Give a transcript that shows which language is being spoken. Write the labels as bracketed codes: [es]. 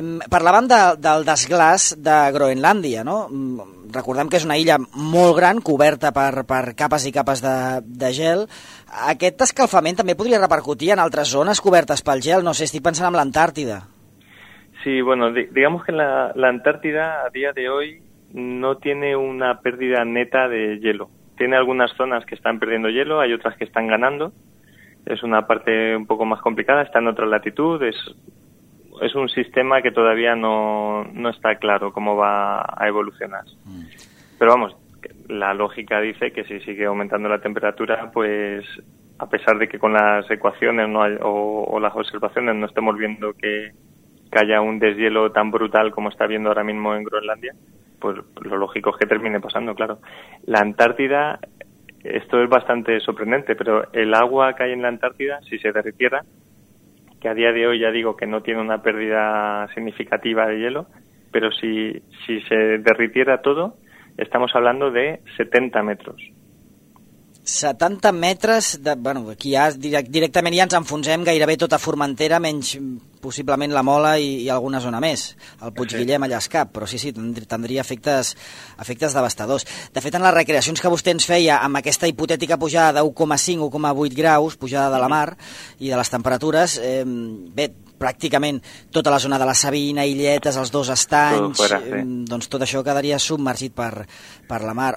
[ca] Parlàvem del desglaç de Groenlàndia, no? Recordem que és una illa molt gran, coberta per capes i capes de gel. Aquest escalfament també podria repercutir en altres zones cobertes pel gel, no sé, estic pensant en l'Antàrtida. [es] Sí, bueno, digamos que la Antártida a día de hoy no tiene una pérdida neta de hielo. Tiene algunas zonas que están perdiendo hielo, hay otras que están ganando. Es una parte un poco más complicada, está en otra latitud. Es un sistema que todavía no está claro cómo va a evolucionar. Pero vamos, la lógica dice que si sigue aumentando la temperatura, pues a pesar de que con las ecuaciones no hay, o las observaciones no estemos viendo que haya un deshielo tan brutal como está viendo ahora mismo en Groenlandia, pues lo lógico es que termine pasando, claro. La Antártida, esto es bastante sorprendente, pero el agua que hay en la Antártida, si se derritiera, que a día de hoy ya digo que no tiene una pérdida significativa de hielo, pero si se derritiera todo, estamos hablando de 70 metros. [ca] 70 metres, bueno, aquí ja directament ja ens enfonsem gairebé tota Formentera, menys possiblement la Mola i alguna zona més, el Puig Guillem allà es cap, però sí, sí, tindria efectes devastadors. De fet, en les recreacions que vostè ens feia amb aquesta hipotètica pujada de 1,5 o 1,8 graus, pujada de la mar i de les temperatures, bé, pràcticament tota la zona de la Sabina, Illetes, els dos estanys, doncs tot això quedaria submergit per la mar.